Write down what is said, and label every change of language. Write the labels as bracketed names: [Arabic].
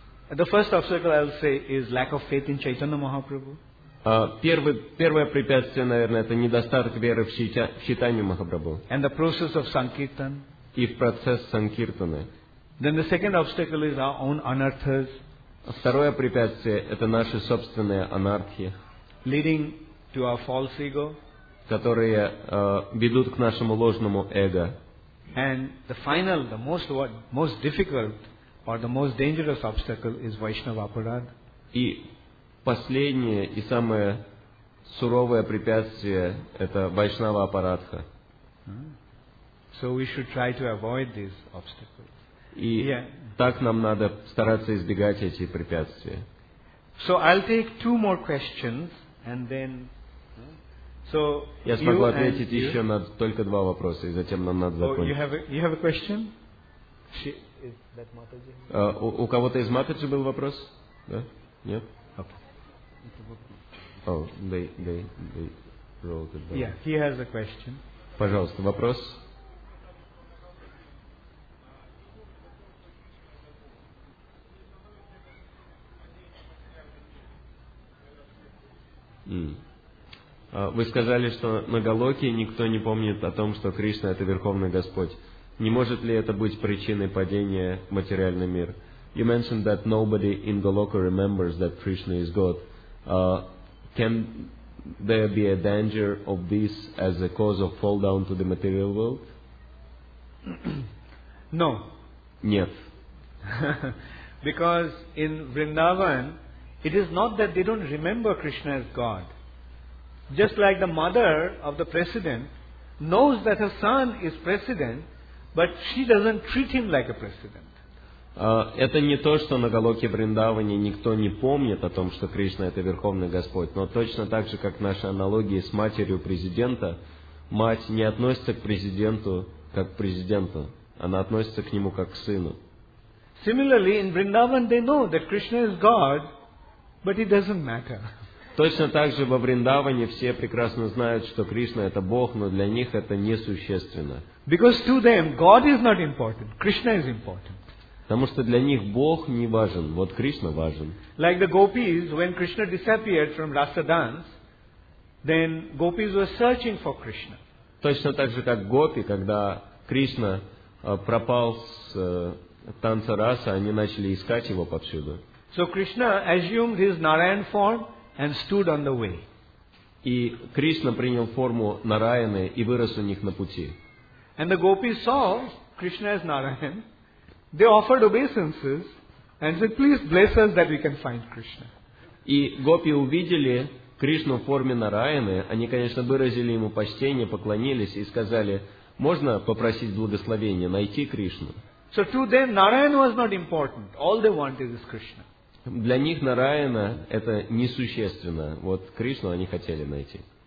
[English] The first obstacle is lack of faith in Chaitanya Mahaprabhu. [Russian] Первое препятствие, наверное, это недостаток веры в Чайтанью Махапрабху. [English] And the process of Sankirtan. [Russian] И в процесс Санкиртаны. [English] Then the second obstacle is our own anarthas. [Russian] Второе препятствие – это наши собственные анархии, [English] leading to our false ego, [Russian] которые ведут к нашему ложному эго. [English] And the final, the most difficult or the most dangerous obstacle is Vaishnava Aparad. [Russian] И последнее и самое суровое препятствие – это Вайшнава Апарадха. [English] So we should try to avoid these obstacles. [Russian] И так нам надо стараться избегать эти препятствия. [English] So I'll take two more questions and then. So [Russian] я смогу ответить еще на только два вопроса, и затем нам надо закончить. [English] You have a question? Is that Mataji? [Russian] У кого-то из Матаджи был вопрос? Да? Нет? [English] Okay. Oh, they wrote it down. Yeah, he has a question. [Russian] Пожалуйста, вопрос. Вы сказали, что на Голоке никто не помнит о том, что Кришна это Верховный Господь. Не может ли это быть причиной падения в материальный мир? [English] You mentioned that nobody in Goloka remembers that Krishna is God. Can there be a danger of this as a cause of fall down to the material world? No. [Russian] Нет. [English] Because in Vrindavan, it is not that they don't remember Krishna as God. Just like the mother of the president knows that her son is president, but she doesn't treat him like a president. [Russian] Это не то, что на Голоке Вриндаване никто не помнит о том, что Кришна это Верховный Господь, но точно так же, как наши аналогии с матерью президента, мать не относится к президенту как к президенту, она относится к нему как к сыну. [English] Similarly, in Vrindavan they know that Krishna is God, but it doesn't matter. [Russian] Точно так же во Вриндаване все прекрасно знают, что Кришна это Бог, но для них это несущественно. [English] Because to them God is not important, Krishna is important. [Russian] Потому что для них Бог не важен, вот Кришна важен. [English] Like the gopis, when Krishna disappeared from Rasa dance, then gopis were searching for Krishna. [Russian] Точно так же как гопи, когда Кришна пропал с танца раса, они начали искать его повсюду. [English] So Krishna assumed his Narayan form and stood on the way. [Russian] И Кришна принял форму Нараяны и вырос у них на пути. [English] And the gopis saw Krishna as Narayan. They offered obeisances and said, "Please bless us that we can find Krishna." [Russian] И гопи увидели Кришну в форме Нараяны, они, конечно, выразили ему почтение, поклонились и сказали: "Можно попросить благословения найти Кришну?" [English] So to them, Narayan was not important. All they wanted is Krishna. [Russian] Для них Нараяна это несущественно. Вот Кришну они хотели найти.